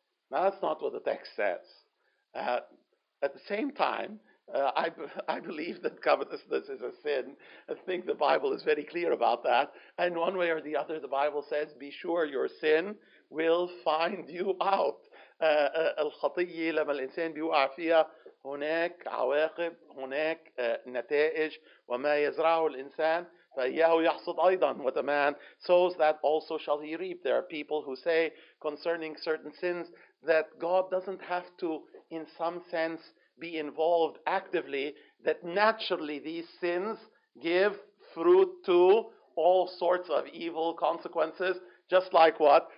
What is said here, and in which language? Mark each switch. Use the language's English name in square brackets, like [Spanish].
[English] Now, that's not what the text says. At the same time, I believe that covetousness is a sin. I think the Bible is very clear about that. And one way or the other, the Bible says, be sure your sin will find you out. [Arabic] الخطية لما الإنسان بيوقع فيها هناك عواقب هناك نتائج وما يزرعه الإنسان فإياه يحصد أيضا. [English] What a man sows, that also shall he reap. There are people who say concerning certain sins that God doesn't have to in some sense be involved actively, that naturally these sins give fruit to all sorts of evil consequences. Just like what?